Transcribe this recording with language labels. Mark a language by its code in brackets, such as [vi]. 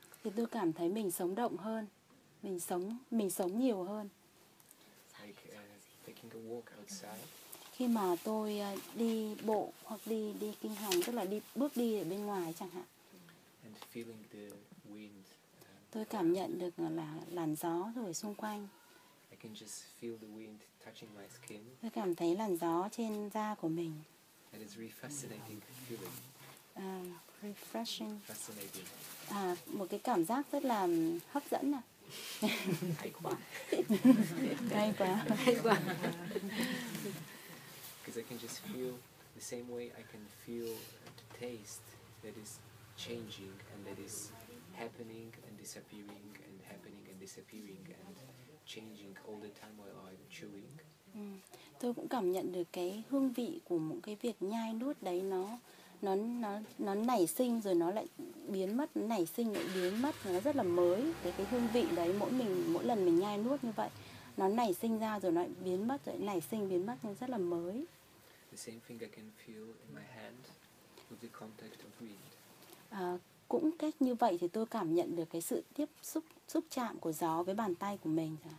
[vi] Thì tôi cảm thấy mình sống động hơn, mình sống nhiều hơn. [en] Like taking a walk outside. [vi] Khi mà tôi đi bộ hoặc đi kinh hành, tức là đi bước đi ở bên ngoài chẳng hạn. [en] And feeling the wind, [vi] tôi cảm nhận được là làn gió thổi xung quanh. [en] I can just feel the wind touching my skin. [vi] Tôi cảm thấy làn gió trên da của mình. [en] That is really fascinating feeling. Refreshing. Fascinating. [vi] Một cái cảm giác rất là hấp dẫn à. Hay quá. Hay quá. Hay quá. [en] Because I can just feel the same way I can feel the taste that is changing and that is happening and disappearing and happening and disappearing and changing all the time while I'm chewing. [vi] Tôi cũng cảm nhận được cái hương vị của một cái việc nhai nuốt đấy, nó nó nảy sinh rồi nó lại biến mất, nảy sinh lại biến mất, nó rất là mới. Cái hương vị đấy mỗi lần mình nhai nuốt như vậy, nó nảy sinh ra rồi nó lại biến mất, rồi nảy sinh biến mất, nó rất là mới. [en] The same thing I can feel in my hand with the contact of wind. [vi] Cũng cách như vậy thì tôi cảm nhận được cái sự tiếp xúc xúc chạm của gió với bàn tay của mình.